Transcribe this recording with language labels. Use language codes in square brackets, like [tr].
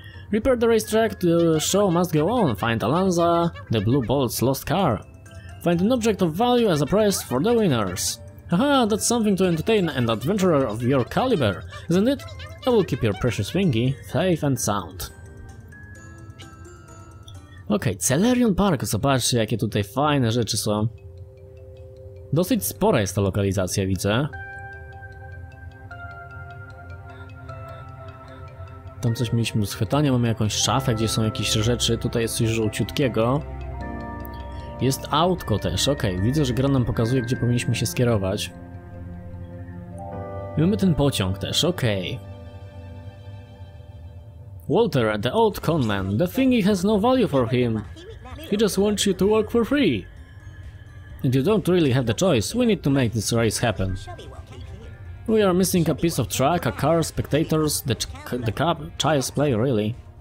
[en] Repair the racetrack, the show must go on, find Alanza, the blue bolt's lost car. Find an object of value as a prize for the winners. Haha, that's something to entertain an adventurer of your caliber, isn't it? I will keep your precious thingy safe and sound. [pl] Okej, okay, Celerion Park, zobaczcie jakie tutaj fajne rzeczy są. Dosyć spora jest ta lokalizacja, widzę. Tam coś mieliśmy do schwytania, mamy jakąś szafę, gdzie są jakieś rzeczy, tutaj jest coś żółciutkiego. Jest autko też, okej, okay, widzę, że gra nam pokazuje, gdzie powinniśmy się skierować. Mamy ten pociąg też, okej. [en] Okay. Walter, the old con man. The thingy has no value for him. He just wants you to work for free. And you don't really have the choice. We need to make this race happen. We are missing a piece of track, a car, spectators, the cup, child's play, really.